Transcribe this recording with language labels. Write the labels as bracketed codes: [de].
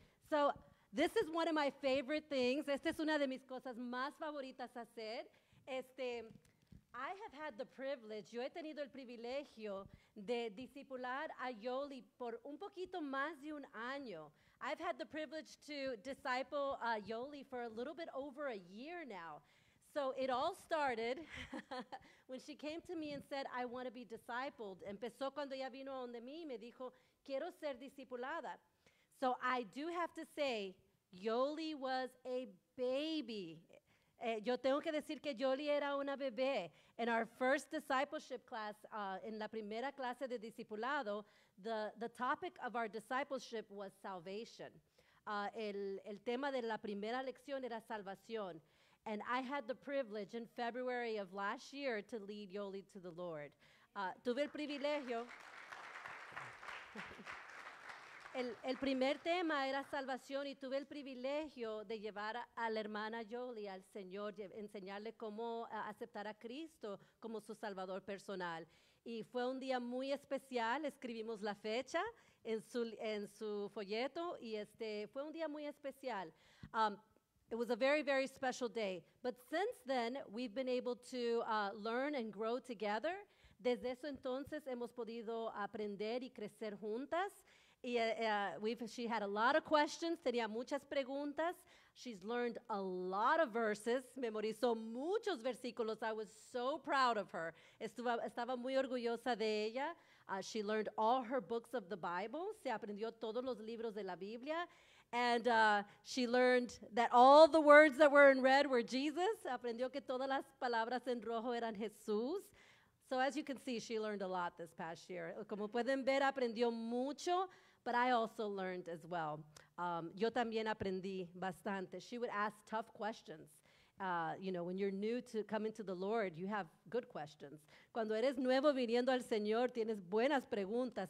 [en] So this is one of my favorite things. [es] Esta es una de mis cosas más favoritas hacer. [en] I have had the privilege, [es] yo he tenido el privilegio de discipular a Yoli por un poquito más de un año. [en] I've had the privilege to disciple Yoli for a little bit over a year now. So it all started when she came to me and said, I want to be discipled. [es] Empezó cuando ella vino a donde mí y me dijo, quiero ser discipulada. [en] So I do have to say, Yoli was a baby. [es] Yo tengo que decir que Yoli era una bebé. [en] In our first discipleship class, [es] in la primera clase de discipulado, [en] the topic of our discipleship was salvation. [es] El tema de la primera lección era salvación. [en] And I had the privilege in February of last year to lead Yoli to the Lord. [es] Tuve el privilegio. El primer tema era salvación y tuve el privilegio de llevar a la hermana Yoli al Señor, enseñarle cómo aceptar a Cristo como su salvador personal. Y fue un día muy especial, escribimos la fecha en su folleto y fue un día muy especial. [en] It was a very, very special day. But since then, we've been able to learn and grow together. [es] Desde eso entonces hemos podido aprender y crecer juntas. [en] She had a lot of questions, [es] tenía muchas preguntas. [en] She's learned a lot of verses, [es] memorizó muchos versículos. [en] I was so proud of her. [es] Estaba muy orgullosa de ella. [en] She learned all her books of the Bible, [es] se aprendió todos los libros de la Biblia. [en] And she learned that all the words that were in red were Jesus. [es] Aprendió que todas las palabras en rojo eran Jesús. [en] So as you can see, she learned a lot this past year. [es] Como pueden ver, aprendió mucho. [en] But I also learned as well. [es] Yo también aprendí bastante. [en] She would ask tough questions. You know, when you're new to coming to the Lord, you have good questions. [es] Cuando eres nuevo viniendo al Señor, tienes buenas preguntas.